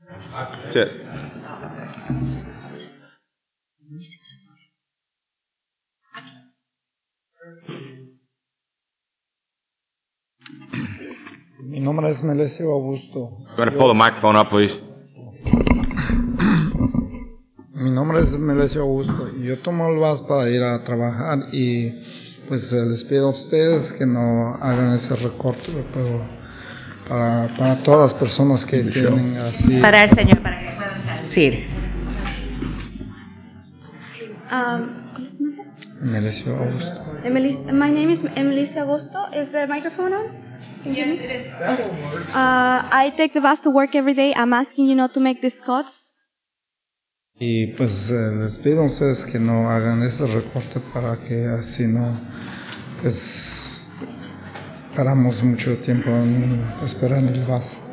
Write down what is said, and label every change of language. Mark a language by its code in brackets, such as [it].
[en] That's it. [es] Mi nombre es Melesio Augusto. [en] Go ahead and pull the microphone up, please. [es] Mi nombre es Melesio Augusto. Yo tomo el bus para ir a trabajar y pues les pido a ustedes que no hagan ese recorte para todas las personas que tienen así. Para el señor, para que pueda traducir. ¿Cuál es [en] Melissa Augusto. My name is Melissa Augusto. Is the microphone on? Yes, it is. Okay. I take the bus to work every day. I'm asking you not to make these cuts. [es] Y pues les pido a ustedes que no hagan ese recorte para que así no pues paramos mucho tiempo en esperar el bus.